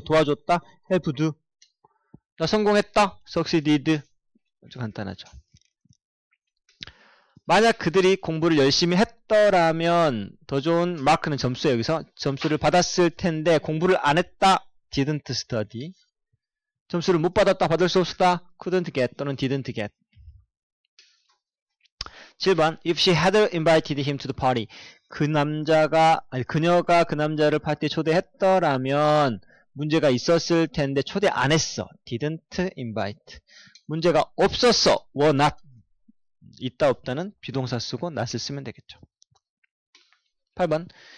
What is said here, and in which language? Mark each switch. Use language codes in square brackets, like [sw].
[ko] 도와줬다. [en] helped. [ko] 나 성공했다. [en] succeeded. [ko] 아주 간단하죠. 만약 그들이 공부를 열심히 했더라면 더 좋은 마크는 점수예요. 여기서 점수를 받았을 텐데 공부를 안 했다. [en] didn't study. [ko] 점수를 못 받았다. 받을 수 없었다. [en] couldn't get [ko] 또는 [en] didn't get. [ko] 7번. [en] If she had invited him to the party. [ko] 그녀가 그 남자를 파티에 초대했더라면 문제가 있었을 텐데 초대 안 했어. [en] didn't invite. [ko] 문제가 없었어. [en] were not. [ko] 있다 없다는 비동사 쓰고 not을 쓰면 되겠죠. 8번.